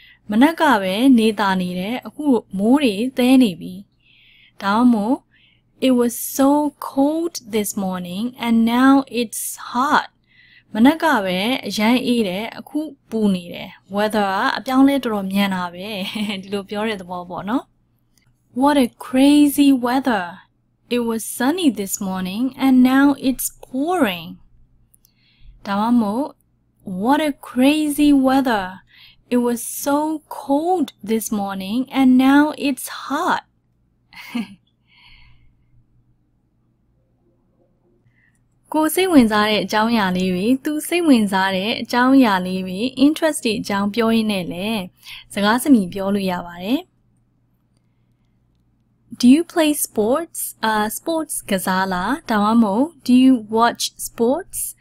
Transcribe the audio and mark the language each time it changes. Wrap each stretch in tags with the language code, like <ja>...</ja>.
<my>မနက်ကပဲနေသားနေတယ်၊အခုမိုးတွေသဲနေပြီ။ဒါမှမဟုတ်</my> <en>It was so cold this morning and now it's hot.</en> <my>မနက်ကပဲအရန်အေးတယ်အခုပူနေတယ် weather အပြောင်းလဲတော်တော်မြန်တာပဲဒီလိုပြောတဲ့သဘောပေါ့နော်</my> <en>What a crazy weather. It was sunny this morning and now it's pouring.</en> <my>ဒါမှမဟုတ်</my> <en>What a crazy weather. It was so cold this morning and now it's hot.</en> <my>ကိုယ်စိတ်ဝင်စားတဲ့အကြောင်းအရာလေးတွေသူစိတ်ဝင်စားတဲ့အကြောင်းအရာလေးတွေ interesting အကြောင်းပြောရင်းနဲ့လည်းစကားစမြည်ပြောလို့ရပါတယ်</my> <en>Do you play sports? Sports</en> <my>ကစားလားဒါမှမဟုတ်</my> <en>Do you watch sports?</en>